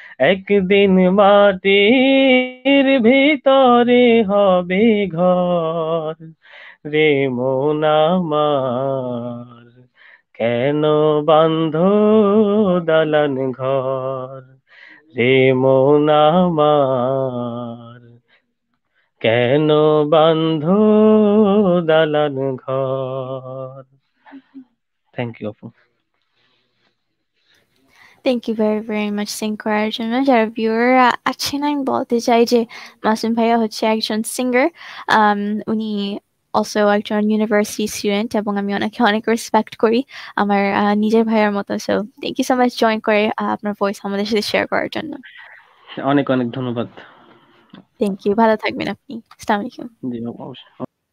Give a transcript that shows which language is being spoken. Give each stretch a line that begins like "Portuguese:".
Bangla: একদিন মাটির ভিতরে হবে ঘর, রে মন আমার কেন বাঁধো দালান ঘর, রে মন আমার কেন বাঁধো দালান ঘর।
English: Thank you আপু। Thank you very, very much, Sinkar Arjun. Our viewer, actually, I'm going to say that Masum Bhaiya is a singer. Uni
Bangla: also একজন ইউনিভার্সিটি স্টুডেন্ট এবং আমি ওনাকে অনেক রেসপেক্ট করি আমার নিজের ভাইয়ের মতো। So thank you so much join করে আপনার ভয়েস আমাদের সাথে শেয়ার করার জন্য। অনেক অনেক ধন্যবাদ।
English: thank you,
Bangla: ভালো থাকবেন আপনি। আসসালামু আলাইকুম। জি অবশ্যই।